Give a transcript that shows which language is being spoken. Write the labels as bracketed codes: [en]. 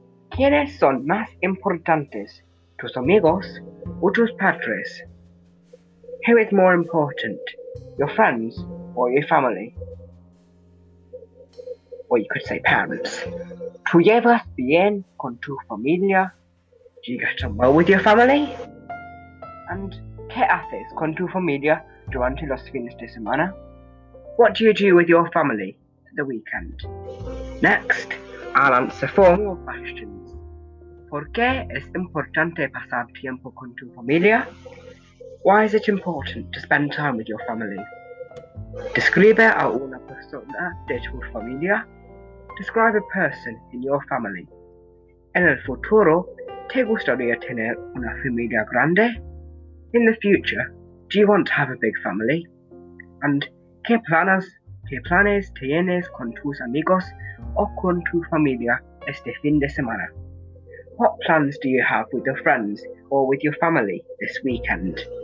[es] ¿Quiénes son más importantes, tus amigos o tus padres? [en] Who is more important, your friends or your family? Or you could say parents. [es] ¿Tú llevas bien con tu familia? [en] Do you get along well with your family? And [es] ¿qué haces con tu familia durante los fines de semana? [en] What do you do with your family at the weekend? Next, I'll answer four more questions. [es] ¿Por qué es importante pasar tiempo con tu familia? [en] Why is it important to spend time with your family? [es] Describe a una persona de tu familia. [en] Describe a person in your family. [es] En el futuro, ¿te gustaría tener una familia grande? [en] In the future, do you want to have a big family? And [es] ¿qué planes tienes con tus amigos o con tu familia este fin de semana? [en] What plans do you have with your friends or with your family this weekend?